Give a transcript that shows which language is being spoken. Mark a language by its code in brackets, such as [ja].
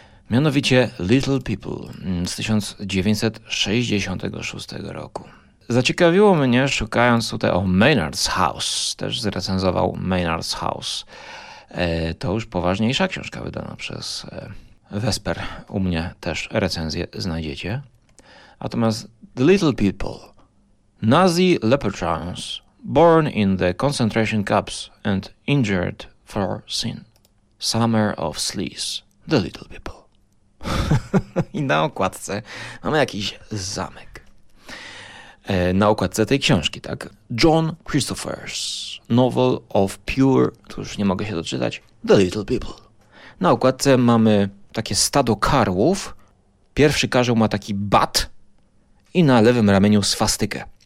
[pl] Mianowicie Little People z 1966 roku. Zaciekawiło mnie, szukając tutaj o Maynard's House, też zrecenzował Maynard's House. To już poważniejsza książka wydana przez Vesper. U mnie też recenzję znajdziecie. [en] Natomiast The Little People, Nazi leprechauns, born in the concentration camps and injured for sin. Summer of Sleaze, The Little People. [pl] I na okładce mamy jakiś zamek. Na okładce tej książki, tak? [en] John Christopher's Novel of Pure, [pl] tu już nie mogę się doczytać, [en] The Little People. [pl] Na okładce mamy takie stado karłów. Pierwszy karzeł ma taki bat i na lewym ramieniu swastykę.